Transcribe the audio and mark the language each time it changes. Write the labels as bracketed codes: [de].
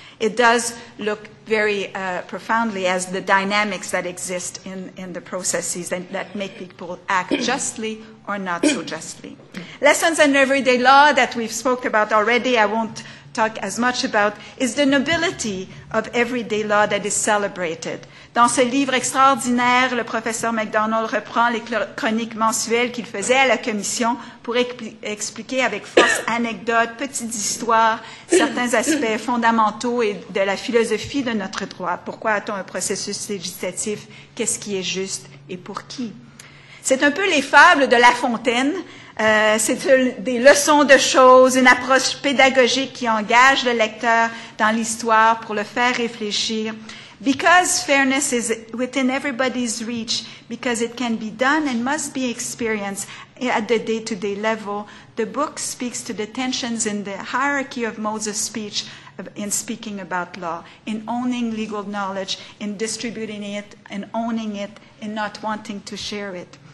[en] It does look very profoundly as the dynamics that exist in the processes that make people act justly or not so justly. Lessons in everyday law that we've spoke about already, I won't talk as much about, is the nobility of everyday law that is celebrated. [fr] Dans ce livre extraordinaire, le professeur MacDonald reprend les chroniques mensuelles qu'il faisait à la Commission pour expliquer avec force anecdotes, petites histoires, certains aspects fondamentaux et de la philosophie de notre droit. Pourquoi a-t-on un processus législatif? Qu'est-ce qui est juste et pour qui? C'est un peu les fables de La Fontaine. C'est des leçons de choses, une approche pédagogique qui engage le lecteur dans l'histoire pour le faire réfléchir. [en] Because fairness is within everybody's reach, because it can be done and must be experienced at the day-to-day level, the book speaks to the tensions in the hierarchy of modes of speech in speaking about law, in owning legal knowledge, in distributing it, in owning it, in not wanting to share it.